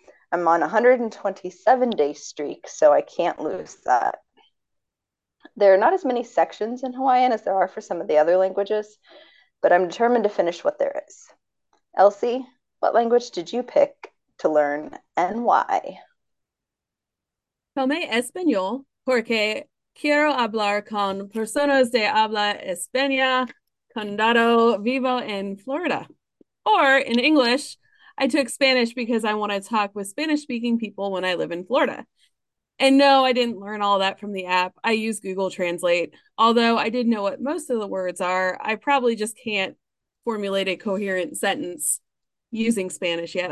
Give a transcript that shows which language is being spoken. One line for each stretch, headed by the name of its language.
English: I'm on a 127-day streak, so I can't lose that. There are not as many sections in Hawaiian as there are for some of the other languages, but I'm determined to finish what there is. Elsie, what language did you pick to learn and why?
Spanish: Tomé español porque quiero hablar con personas de habla España cuando vivo en Florida.
English: Or in English, I took Spanish because I want to talk with Spanish-speaking people when I live in Florida. And no, I didn't learn all that from the app. I use Google Translate. Although I did know what most of the words are, I probably just can't formulate a coherent sentence using Spanish yet.